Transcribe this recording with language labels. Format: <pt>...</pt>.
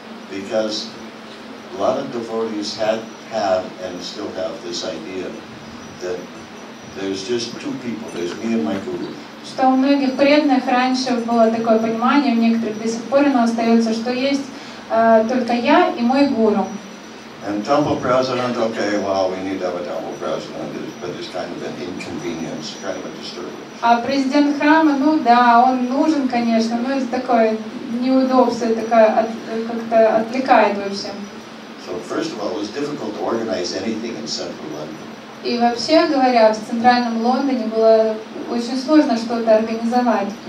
<en>Because a lot of devotees have and still have this idea that there's just two people, there's me and my guru.</en> <ru>Что у многих преданных раньше было такое понимание, у некоторых до сих пор оно остается, что есть только я и мой гуру.</ru> <en>And temple president, okay, well, we need to have a temple president, but it's kind of an inconvenience, kind of a disturbance.</en> <ru>А президент храма, ну да, он нужен, конечно, но это такое неудобство, такое как-то отвлекает вообще.</ru> <en>So first of all, it was difficult to organize anything in central London.</en> <ru>И вообще говоря, в центральном Лондоне было очень сложно что-то организовать.</ru>